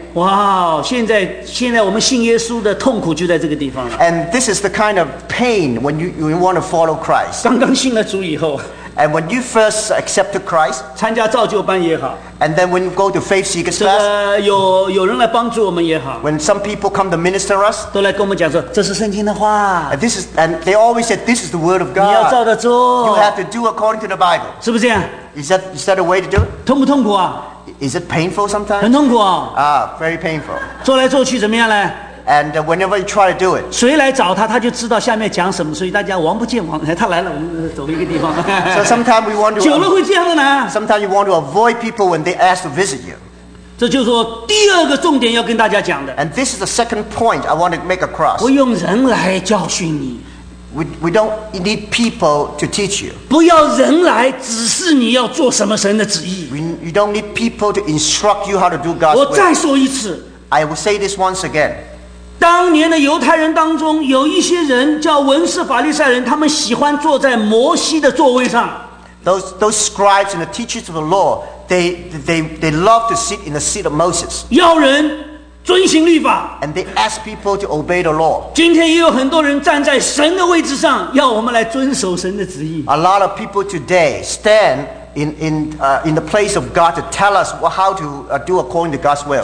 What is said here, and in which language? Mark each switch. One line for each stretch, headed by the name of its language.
Chinese: Wow, 现在我们信耶稣的痛苦就在这个地方。
English: And this is the kind of pain when you want to follow Christ.
Chinese: 刚刚信了主以后,
English: and when you first accepted Christ,
Chinese: 参加造就班也好,
English: and then when you go to Faith Seekers Class,
Chinese: 有人来帮助我们也好,
English: when some people come to minister us,
Chinese: 都来跟我们讲说, 这是圣经的话,
English: and, this is, and they always said, this is the word of God.
Chinese: 你要照着做,
English: you have to do according to the Bible.
Chinese: 是不是这样?
English: Is that a way to do it?
Chinese: 痛不痛苦啊?
English: Is it painful sometimes?
Chinese: 很痛苦啊?
English: Ah, very painful.
Chinese: 做来做去怎么样呢?
English: And whenever you try to do it,
Chinese: 谁来找他, 他就知道下面讲什么, 所以大家王不见王, 他来了,
English: so sometimes we want to
Chinese: 久了会这样的呢?
English: Sometimes you want to avoid people when they ask to visit you.
Chinese: 这就是说第二个重点要跟大家讲的,
English: and this is the second point I want to make across.
Chinese: 不用人来教训你,
English: we don't need people to teach you.
Chinese: 不要人来, 只是你要做什么神的旨意,
English: you don't need people to instruct you how to do God's
Chinese: 我再说一次,
English: will. I will say this once again.
Chinese: 当年的犹太人当中有一些人叫文士法利赛人，他们喜欢坐在摩西的座位上。
English: Those scribes and the teachers of the law, they love to sit in the seat of Moses.
Chinese: 要人遵行律法。
English: And they ask people to obey the law.
Chinese: 今天也有很多人站在神的位置上， 要我们来遵守神的旨意。
English: A lot of people today stand in the place of God to tell us how to do according to God's will.